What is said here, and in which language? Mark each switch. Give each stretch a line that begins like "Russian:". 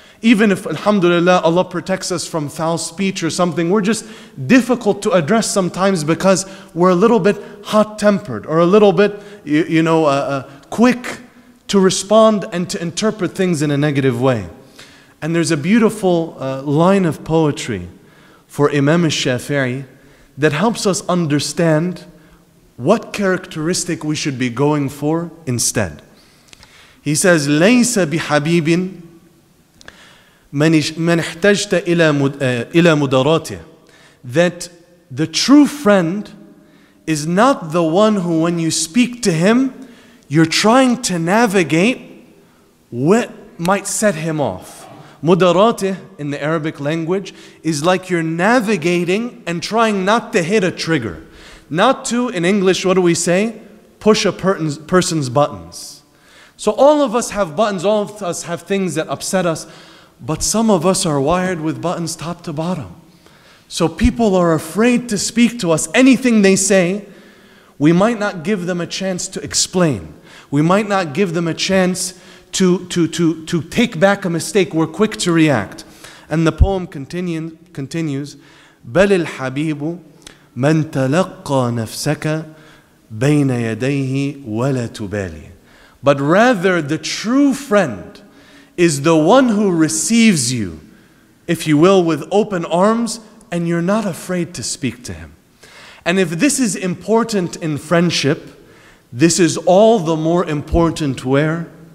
English: Even if, alhamdulillah, Allah protects us from foul speech or something, we're just difficult to address sometimes because we're a little bit hot-tempered or a little bit, quick to respond and to interpret things in a negative way. And there's a beautiful line of poetry for Imam al-Shafi'i that helps us understand what characteristic we should be going for instead. He says,
Arabic: لَيْسَ بِحَبِيبٍ مَنْ احْتَجْتَ إِلَى مُدَرَاتِهِ.
English: That the true friend is not the one who, when you speak to him, you're trying to navigate what might set him off. مُدَرَاتِهِ in the Arabic language is like you're navigating and trying not to hit a trigger. Not to, in English, what do we say? Push a person's buttons. So all of us have buttons, all of us have things that upset us, but some of us are wired with buttons top to bottom. So people are afraid to speak to us. Anything they say, we might not give them a chance to explain. We might not give them a chance to take back a mistake. We're quick to react. And the poem continues,
Arabic: بَلِ الْحَبِيبُ مَنْ تَلَقَّى نَفْسَكَ بَيْنَ يَدَيْهِ وَلَا تُبَالِي.
English: But rather the true friend is the one who receives you, if you will, with open arms, and you're not afraid to speak to him. And if this is important in friendship, this is all the more important where?